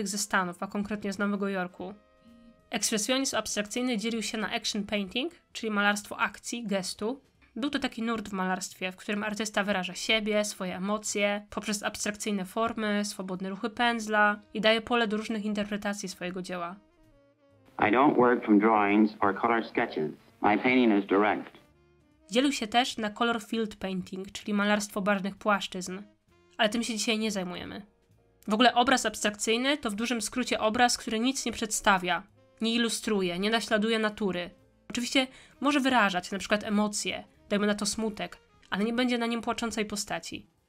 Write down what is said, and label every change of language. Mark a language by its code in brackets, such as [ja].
[pl] ze Stanów, a konkretnie z Nowego Jorku. Ekspresjonizm abstrakcyjny dzielił się na action painting, czyli malarstwo akcji, gestu. Był to taki nurt w malarstwie, w którym artysta wyraża siebie, swoje emocje poprzez abstrakcyjne formy, swobodne ruchy pędzla i daje pole do różnych interpretacji swojego dzieła. [en] I don't work from drawings or color sketches. My painting is direct. [pl] Dzielił się też na color field painting, czyli malarstwo barwnych płaszczyzn, ale tym się dzisiaj nie zajmujemy. W ogóle obraz abstrakcyjny to w dużym skrócie obraz, który nic nie przedstawia, nie ilustruje, nie naśladuje natury. Oczywiście może wyrażać na przykład emocje, dajmy na to smutek, ale nie będzie na nim płaczącej postaci.